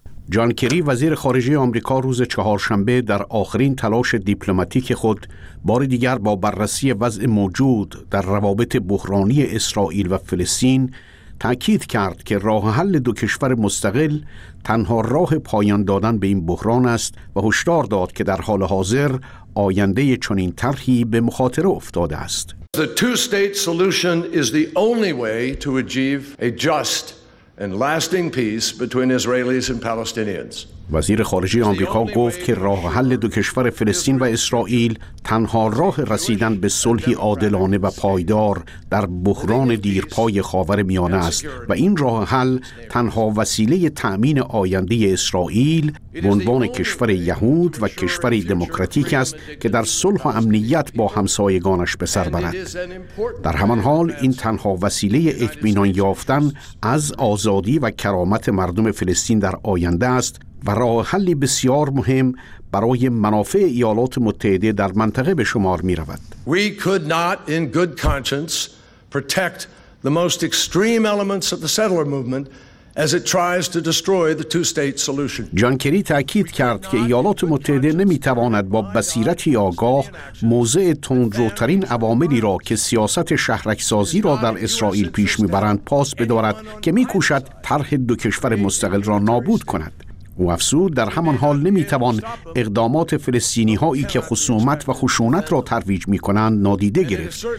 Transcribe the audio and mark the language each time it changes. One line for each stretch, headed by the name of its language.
Persian: جان کری وزیر خارجه آمریکا روز چهارشنبه در آخرین تلاش دیپلماتیک خود بار دیگر با بررسی وضع موجود در روابط بحرانی اسرائیل و فلسطین تأکید کرد که راه حل دو کشور مستقل تنها راه پایان دادن به این بحران است و هشدار داد که در حال حاضر آینده چنین طرحی به مخاطره افتاده است.
English: The two-state solution is the only way to achieve a just and lasting peace between Israelis and Palestinians.
Persian: وزیر خارجه آمریکا گفت که راه حل دو کشور فلسطین و اسرائیل تنها راه رسیدن به صلحی عادلانه و پایدار در بحران دیرپای خاورمیانه است و این راه حل تنها وسیله تأمین آینده اسرائیل به عنوان کشور یهود و کشور دموکراتیک است که در صلح و امنیت با همسایگانش به سر برد. در همان حال این تنها وسیله اطمینان یافتن از آزادی و کرامت مردم فلسطین در آینده است و راه حلی بسیار مهم برای منافع ایالات متحده در منطقه به شمار می رود.
English: We could not in good conscience protect the most extreme elements of the settler movement as it tries to destroy the two-state solution.
Persian: جان کری تأکید کرد که ایالات متحده نمی تواند با بصیرتی آگاه موضع تندروترین عواملی را که سیاست شهرک‌سازی را در اسرائیل پیش می برند پاس بدارد که می کوشد طرح دو کشور مستقل را نابود کند. و افزود در همان حال نمیتوان اقدامات فلسطینی هایی که خصومت و خشونت را ترویج میکنند نادیده گرفت.